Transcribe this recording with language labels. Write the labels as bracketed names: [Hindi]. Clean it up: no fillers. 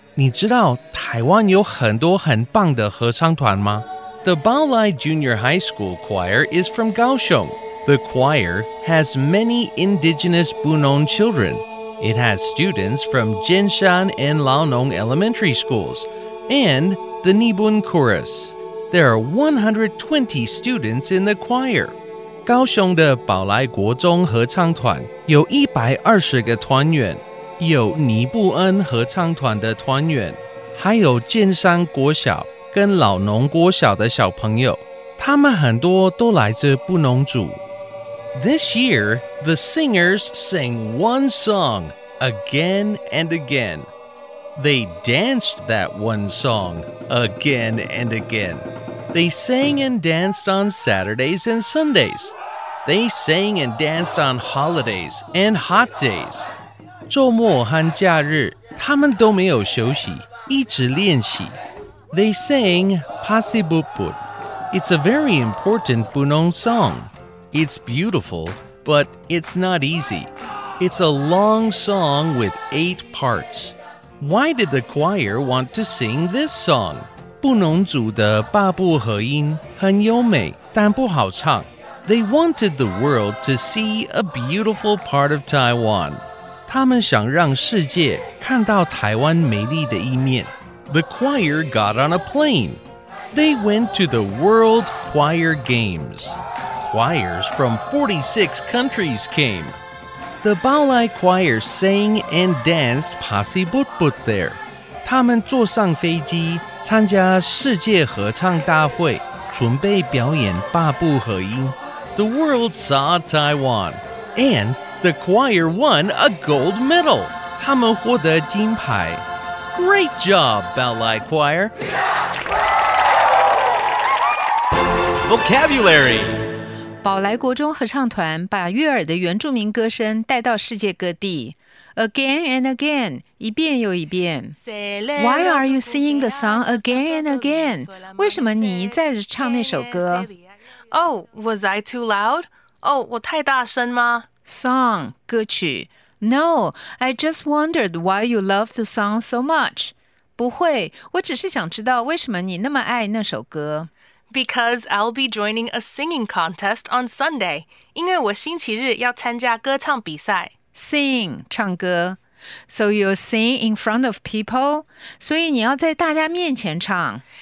[Chinese] 你知道台湾有很多很棒的合唱团吗？ [English] The Bao Lai Junior High School Choir is from Kaohsiung. The choir has many indigenous Bunun children. It has students from Jianshan and Laonong elementary schools, and the Nibun Chorus. There are 120 students in the choir. [Chinese] 高雄的寶來國中合唱團有120個團員，有尼布恩合唱團的團員，還有建山國小跟老農國小的小朋友，他們很多都來自布農族。 [English] This year, the singers sang one song again and again. They danced that one song again and again. They sang and danced on Saturdays and Sundays. They sang and danced on holidays and hot days. [Chinese] 週末和假日他們都沒有休息，一直練習。 [English] They sang Pasibutbut. It's a very important Bunun song. It's beautiful, but it's not easy. It's a long song with 8 parts. Why did the choir want to sing this song? [Chinese] 布农族的八部合音很优美但不好唱。 [English] They wanted the world to see a beautiful part of Taiwan. [Chinese] 他们想让世界看到台湾美丽的一面。 [English] The choir got on a plane. They went to the World Choir Games. Choirs from 46 countries came. The Bao Lai Choir sang and danced Pasibutbut there. [Chinese] 他们坐上飞机参加世界合唱大会，准备表演八部合音。 [English] The world saw Taiwan, and the choir won a gold medal. [Chinese] 他们获得金牌。 [English] Great job, Bao Lai Choir! Vocabulary. [Chinese] 宝来国中合唱团把悅耳的原住民歌声带到世界各地。 [English] Again and again, [Chinese] 一遍又一遍。 [English] Why are you singing the song again and again? [Chinese] 为什么你一再唱那首歌 [English] ？Oh, was I too loud? Oh, [Chinese] 我太大声吗？Song, 歌曲。 [English] No, I just wondered why you love the song so much. [Chinese] 不会，我只是想知道为什么你那么爱那首歌。 [English] Because I'll be joining a singing contest on Sunday. [Chinese] 因为我星期日要参加歌唱比赛。 [English] Sing, [Chinese] 唱歌。 [English] So you'll sing in front of people? [Chinese] 所以你要在大家面前唱。